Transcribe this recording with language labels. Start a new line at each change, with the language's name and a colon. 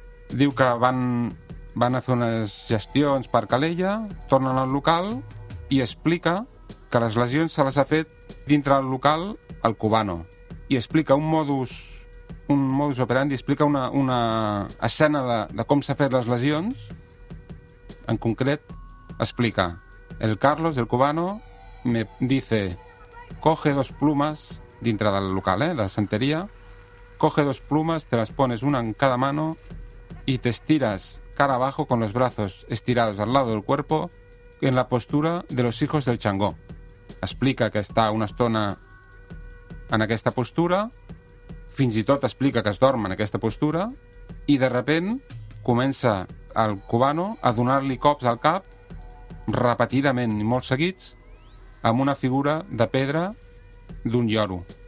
Catalan: Diu que van a fer unes gestions per Calella, tornen al local i explica que les lesions se les ha fet dintre del local el cubano. I explica un modus operandi, explica una escena de com s'ha fet les lesions. En concret, explica:
Spanish: el Carlos, el cubano, me dice, coge dos plumas
Catalan: dintre del local,
Spanish: de Santería, coge dos plumas, te las pones una en cada mano y te estiras cara abajo con los brazos estirados al lado del cuerpo en la postura de los hijos del Changó.
Catalan: Explica que està una estona en aquesta postura, fins i tot explica que es dorm en aquesta postura, i de repent comença el cubano a donar-li cops al cap repetidament i molt seguits amb una figura de pedra d'un lloro.